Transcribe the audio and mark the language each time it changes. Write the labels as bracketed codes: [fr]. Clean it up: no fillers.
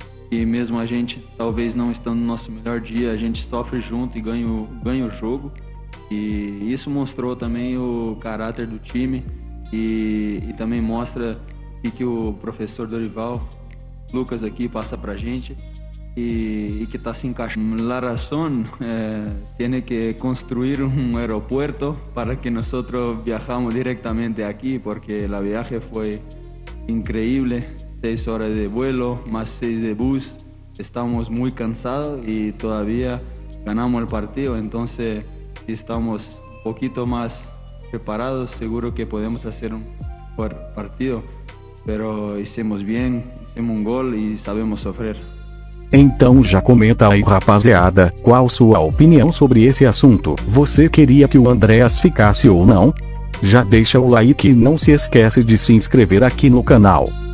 [pt] E mesmo a gente, talvez não estando no nosso melhor dia, a gente sofre junto e ganha o jogo. E isso mostrou também o caráter do time e também mostra o que o professor Dorival Lucas aqui passa pra gente e que tá se encaixando. [es] La razón tiene que construir un aeropuerto para que nosotros viajamos directamente aquí, porque la viaje fue increíble, 6 horas de vuelo, más 6 de bus, estamos muy cansados y todavía ganamos el partido, entonces... [pt] estamos um pouquinho mais preparados, seguro que podemos fazer um bom partido, mas fizemos bem, fizemos um gol e sabemos sofrer. Então já comenta aí rapaziada, qual sua opinião sobre esse assunto, você queria que o Andreas ficasse ou não? Já deixa o like e não se esquece de se inscrever aqui no canal.